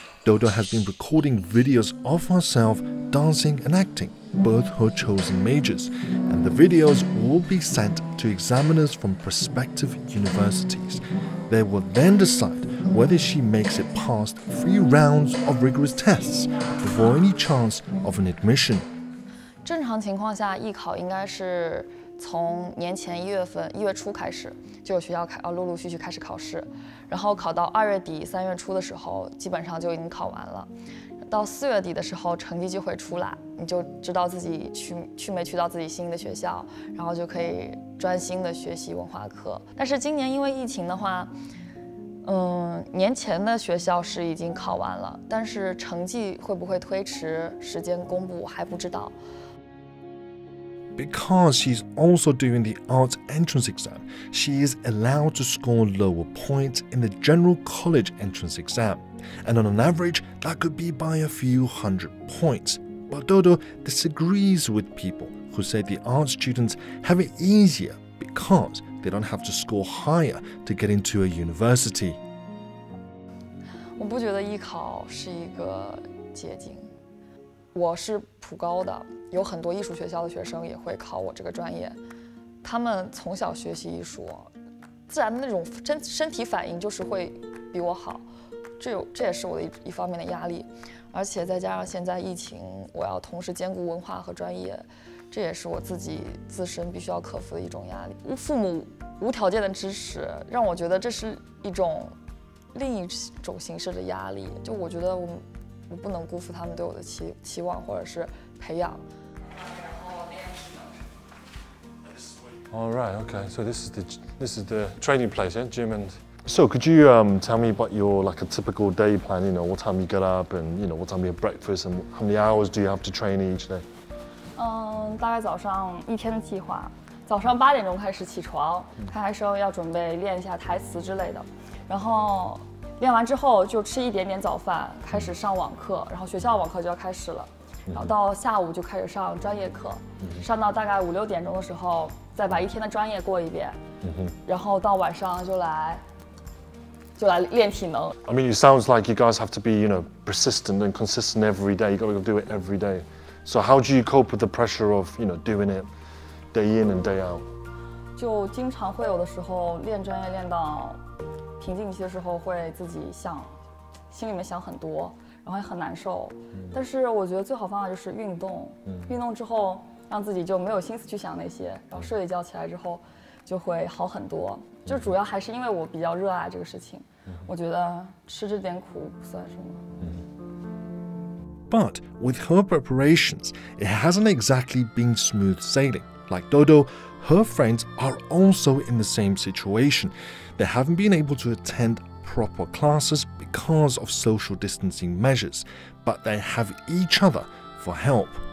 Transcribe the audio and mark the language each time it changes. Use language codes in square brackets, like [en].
[en] Dodo has been recording videos of herself dancing and acting, both her chosen majors, and the videos will be sent to examiners from prospective universities. They will then decide whether she makes it past 3 rounds of rigorous tests before any chance of an admission. [zh] 正常情况下，艺考应该是从年前一月初开始，就有学校开，陆陆续续开始考试，然后考到2月底3月初的时候，基本上就已经考完了。到4月底的时候，成绩就会出来，你就知道自己去没去到自己心仪的学校，然后就可以专心的学习文化课。但是今年因为疫情的话，年前的学校是已经考完了，但是成绩会不会推迟时间公布还不知道。 [en] Because she's also doing the arts entrance exam, she is allowed to score lower points in the general college entrance exam. And on an average, that could be by a few hundred points. But Dodo disagrees with people who say the arts students have it easier because they don't have to score higher to get into a university. I don't think the exam is a solution. [zh] 我是普高的，有很多艺术学校的学生也会考我这个专业，他们从小学习艺术，自然的那种身体反应就是会比我好，这也是我的一方面的压力，而且再加上现在疫情，我要同时兼顾文化和专业，这也是我自己自身必须要克服的一种压力。父母无条件的支持，让我觉得这是一种另一种形式的压力，就我觉得我不能辜负他们对我的期望或者是培养。 [en] All right, okay. So this is the training place, yeah, gym and. So could you tell me about your like a typical day plan? You know, what time you get up and you know what time you have breakfast and how many hours do you have to train each day? [zh] 大概早上一天的计划，早上8点钟开始起床，开始时候要准备练一下台词之类的，然后。练完之后就吃一点点早饭，开始上网课，然后学校网课就要开始了，然后到下午就开始上专业课，上到大概5、6点钟的时候，再把一天的专业过一遍，然后到晚上就来练体能。 [en] I mean, it sounds like you guys have to be, you know, persistent and consistent every day. You got to do it every day. So how do you cope with the pressure of, you know, doing it day in and day out? [zh] 就经常会有的时候练专业练到瓶颈期的时候会自己想心里面想很多然后也很难受、嗯、但是我觉得最好方法就是运动、嗯、运动之后让自己就没有心思去想那些然后睡一觉起来之后就会好很多、嗯、就主要还是因为我比较热爱这个事情、嗯、我觉得吃这点苦不算什么、嗯、 [en] But with her preparations, it hasn't exactly been smooth sailing. Like Dodo, her friends are also in the same situation. They haven't been able to attend proper classes because of social distancing measures, but they have each other for help.